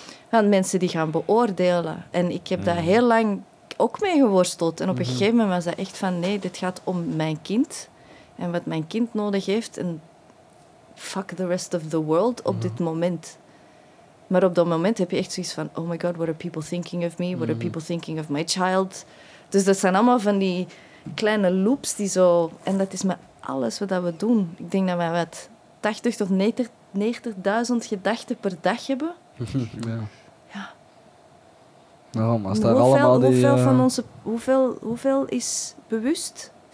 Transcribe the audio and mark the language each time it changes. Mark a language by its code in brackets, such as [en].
[nl] Want mensen die gaan beoordelen. En ik heb daar heel lang ook mee geworsteld. En op een gegeven moment was dat echt van, nee, dit gaat om mijn kind. En wat mijn kind nodig heeft. En [en] fuck the rest of the world [nl] op dit moment. Maar op dat moment heb je echt zoiets van... [en] Oh my god, what are people thinking of me? What are people thinking of my child? [nl] Dus dat zijn allemaal van die kleine loops die zo... En dat is met alles wat we doen. Ik denk dat wij wat 80 tot 90.000 gedachten per dag hebben. Ja. Ja. Nou, maar staat allemaal die... Hoeveel van onze... Hoeveel is bewust? 5%?